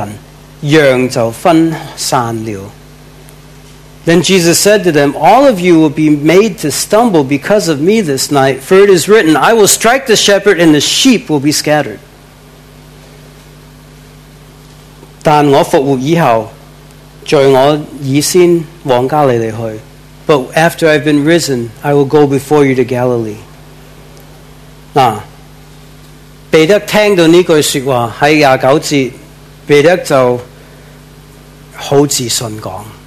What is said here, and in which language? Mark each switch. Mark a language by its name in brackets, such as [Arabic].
[Chinese] 27节耶稣对他们说，你们都要跌倒了，因为经常记着说，我要击打牧人，羊就分散了。 [English] Then Jesus said to them, all of you will be made to stumble because of me this night, for it is written, I will strike the shepherd and the sheep will be scattered. [Chinese] 但我复活以后，在我以先往加利利去, [English] but after I've been risen, I will go before you to Galilee. [Chinese] 彼得听到这句话，在29节，彼得就好自信讲。